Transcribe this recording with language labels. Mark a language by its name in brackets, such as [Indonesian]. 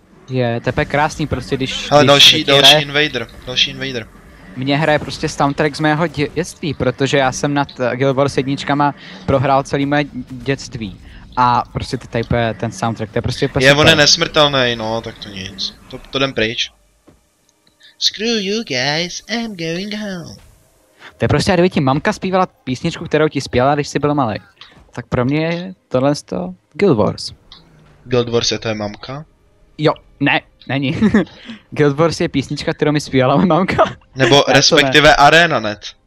[Czech] Je, tepe krásný prostě, když... Ale další invader. Mě hraje prostě soundtrack z mého dětství, protože já jsem nad Guild Wars 1 prohrál celý moje dětství. A prostě ten soundtrack, to je prostě... Je, on je nesmrtelný, no, tak to nic. To jdem pryč. [English] Screw you guys, I'm going home. [Czech] To je prostě, kdyby ti mamka zpívala písničku, kterou ti zpívala, když jsi byl malý. Tak pro mě je tohle to Guild Wars. Guild Wars je to je mamka? Jo, ne. Není. Guild Wars je písnička, kterou mi zpívala moje mamka. Nebo respektive ne. ArenaNet.